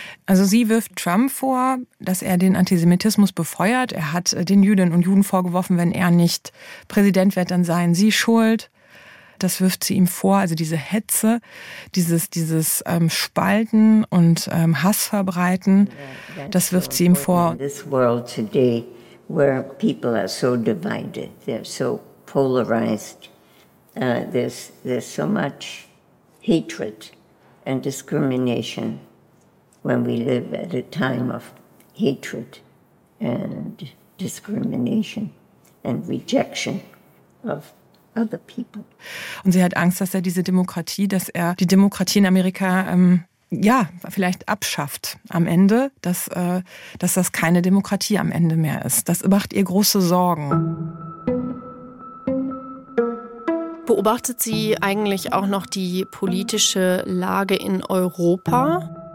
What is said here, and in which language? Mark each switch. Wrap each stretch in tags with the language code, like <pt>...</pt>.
<de>Also sie wirft Trump vor, dass er den Antisemitismus befeuert. Er hat den Jüdinnen und Juden vorgeworfen, wenn er nicht Präsident wird, dann seien sie schuld. Das wirft sie ihm vor, also diese Hetze, dieses Spalten und Hass verbreiten, das wirft sie ihm vor.</de> <en>In this world today, where people are so divided, they're so polarized, there's so much hatred and discrimination when we live at a time of hatred and discrimination and rejection of other people.</en> <de>Und sie hat Angst, dass er diese Demokratie, dass er die Demokratie in Amerika vielleicht abschafft am Ende, dass das keine Demokratie am Ende mehr ist. Das macht ihr große Sorgen. Beobachtet sie eigentlich auch noch die politische Lage in Europa?</de>